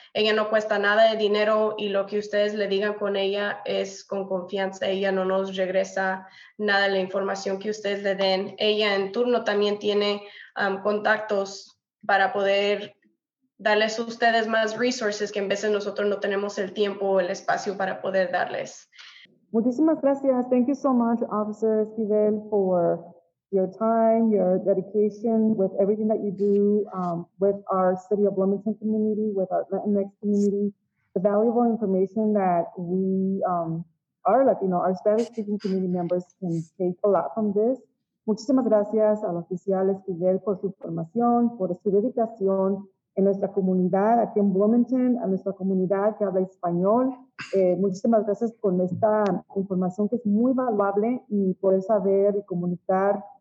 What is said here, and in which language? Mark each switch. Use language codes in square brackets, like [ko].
[es] Ella no cuesta nada de dinero y lo que ustedes le digan con ella es con confianza. Ella no nos regresa nada de la información que ustedes le den. Ella en turno también tiene contactos para poder darles a ustedes más resources que en veces nosotros no tenemos el tiempo o el espacio para poder darles. Muchísimas gracias. [en] Thank you so much, Officer Esquivel, for your time, your dedication with everything that you do with our City of Bloomington community, with our Latinx community, the valuable information that we are, like, you know, our Spanish-speaking community members can take a lot from this. [es] Muchísimas gracias al oficial Esquivel por su formación, por su dedicación en nuestra comunidad aquí en Bloomington, a nuestra comunidad que habla español. Muchísimas gracias con esta información que es muy valuable y poder saber y comunicar.